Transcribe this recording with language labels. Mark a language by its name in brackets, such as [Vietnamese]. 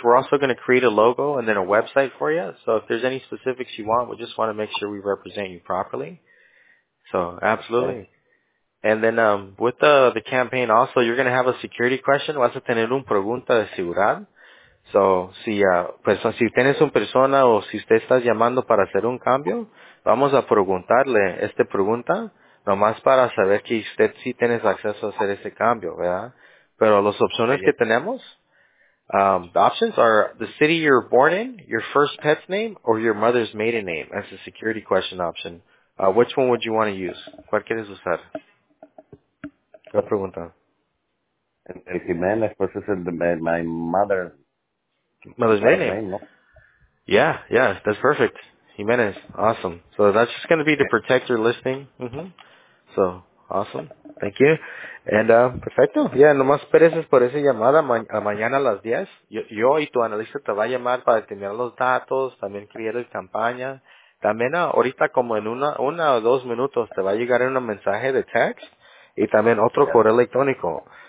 [English] We're also going to create a logo and then a website for you. So if there's any specifics you want, we just want to make sure we represent you properly. So absolutely. Okay. And then with the campaign also, you're going to have a security question. [Spanish] Vas a tener un pregunta de seguridad. So si, pues, si tienes una persona o si usted estás llamando para hacer un cambio, vamos a preguntarle esta pregunta nomás para saber que usted sí tiene acceso a hacer ese cambio, ¿verdad? Pero las opciones que tenemos, [English] the options are the city you're born in, your first pet's name, or your mother's maiden name. That's a security question option. Which one would you want to use? [Spanish] ¿Cuál quieres usar? La pregunta. El Jiménez, pues es el de [English] my mother. Mother's maiden name. Yeah, yeah, that's perfect. Jiménez, awesome. So that's just going to be to protect your listing. Mm-hmm. So, awesome. Thank you. And perfecto. [Spanish] Ya, yeah, nomás pereces por esa llamada mañana a las 10. Yo y tu analista te va a llamar para tener los datos, también crear la campaña. También ahorita como en una o dos minutos te va a llegar un mensaje de text y también otro correo electrónico.